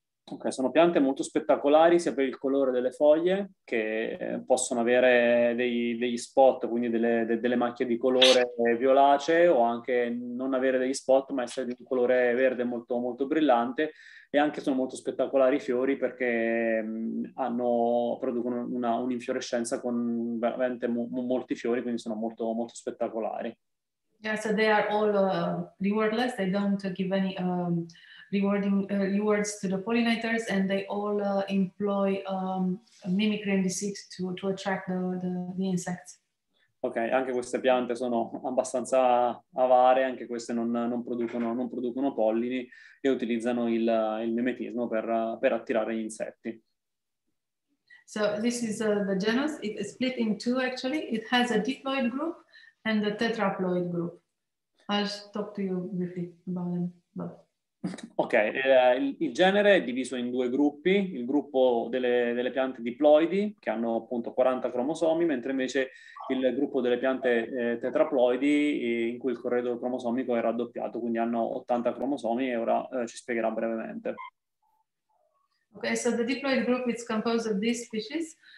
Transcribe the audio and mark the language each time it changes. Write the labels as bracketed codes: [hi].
[it] Ok, sono piante molto spettacolari sia per il colore delle foglie, che possono avere degli spot, quindi delle macchie di colore violacee, o anche non avere degli spot, ma essere di un colore verde molto, molto brillante. E anche sono molto spettacolari i fiori, perché producono un'infiorescenza con veramente molti fiori, quindi sono molto, molto spettacolari. [en] Yeah, so they are all rewardless, they don't give any rewards to the pollinators, and they all employ mimicry and deceit to attract the insects. [it] Ok, anche queste piante sono abbastanza avare, anche queste non producono pollini e utilizzano il mimetismo per attirare gli insetti. [en] So this is the genus. It is split in two actually. It has a diploid group and the tetraploid group. I'll talk to you briefly about them both. [it] Ok, il genere è diviso in due gruppi, il gruppo delle piante diploidi, che hanno appunto 40 cromosomi, mentre invece il gruppo delle piante tetraploidi, in cui il corredo cromosomico è raddoppiato, quindi hanno 80 cromosomi, e ora ci spiegherà brevemente. [en] Ok, so the diploid group is composed of these species.